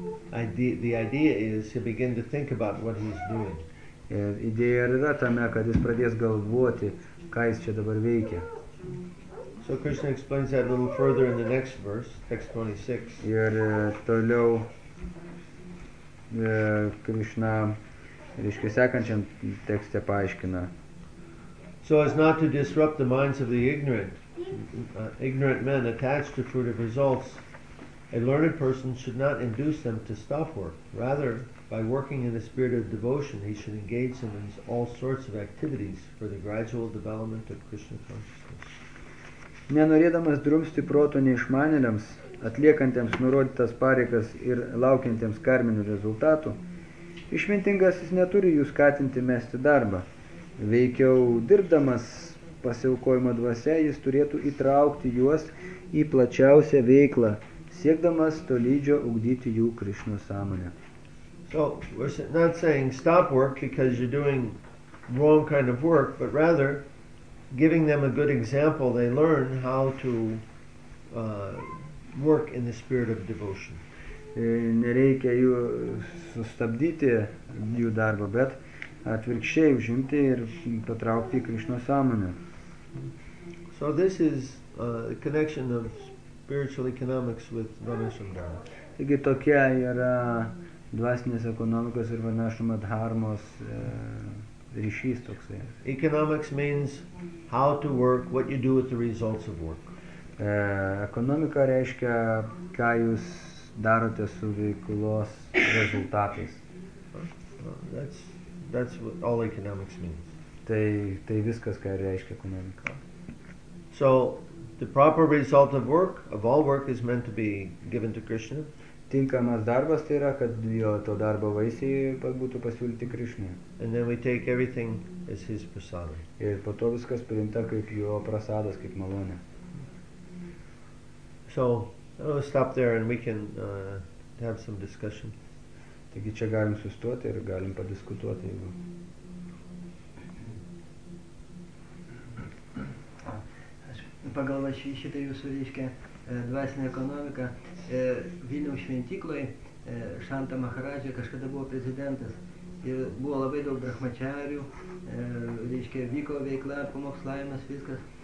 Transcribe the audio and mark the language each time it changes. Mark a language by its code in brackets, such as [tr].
[en] The idea is he begin to think about what he's doing. [lt] Idėja yra tame, kad jis pradės galvoti, ką jis čia dabar veikia. [en] So Krishna explains that a little further in the next verse, text 26. [lt] Ir toliau Krishna, reiškia, sekančiam tekste paaiškina. [en] So as not to disrupt the minds of the ignorant, ignorant men attached to fruitive results, a learned person should not induce them to stop work. Rather, by working in the spirit of devotion, he should engage them in all sorts of activities for the gradual development of Krishna consciousness. [lt] Nenorėdamas drumsti proto neišmanėliams, atliekantiems nurodytas pareigas ir laukiantiems karminių rezultatų, išmintingasis neturi jų skatinti mesti darbą. Veikiau dirbdamas pasiaukojimo dvasia, jis turėtų įtraukti juos į plačiausią veiklą, siekdamas tolydžio ugdyti jų Krišnos sąmonę. [en] So, we're not saying stop work because you're doing wrong kind of work, but rather giving them a good example, they learn how to work in the spirit of devotion. [lt] Nereikia jų sustabdyti jų darbą, bet atvirkščiai užimti ir patraukti Krišnos sąmonę. [en] So this is a connection of spiritual economics with Vanashramdharma. [lt] Taigi tokia yra dvasinės ekonomikos ir Vanashramdharmos ryšys toksai. [en] Economics means how to work, what you do with the results of work. [lt] Ekonomika reiškia, ką jūs darote su veiklos rezultatais. [en] That's what all economics means. [lt] Tai viskas, ką reiškia ekonomika. [en] So, the proper result of work, of all work, is meant to be given to Krishna. [lt] Tinkamas darbas tai yra, kad jo to darbo vaisiai būtų pasiūlyti Krishna. [en] And then we take everything as his prasada. [lt] Ir po to viskas priimta kaip jo prasadas, kaip malonė. [en] So, I'll stop there and we can have some discussion. [lt] Taigi čia galim sustoti ir galim padiskutuoti, jeigu... Pagal šitą jūsų reiškia dvasinę ekonomiką, Vilniaus šventykloj Šanta Maharadžio kažkada buvo prezidentas ir buvo labai daug brahmačarių, reiškia vyko veikla, pamokslavimas, viskas.